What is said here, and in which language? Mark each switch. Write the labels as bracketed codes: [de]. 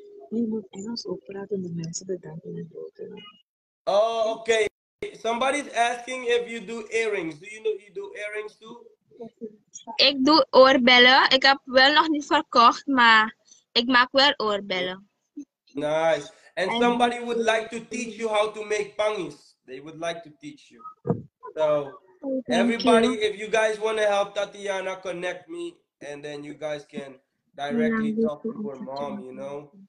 [nl] Je moet Engels opraten, de mensen bedanken en dood. Oh, okay. [en] Somebody's asking if you do earrings. Do you know you do earrings too? [nl] Ik doe oorbellen. Ik heb wel nog niet verkocht, maar ik maak wel oorbellen. [en] Nice. And somebody would like to teach you how to make pangis. They would like to teach you. So, everybody, if you guys want to help Tatiyana, connect me. And then you guys can directly talk to her mom, you know.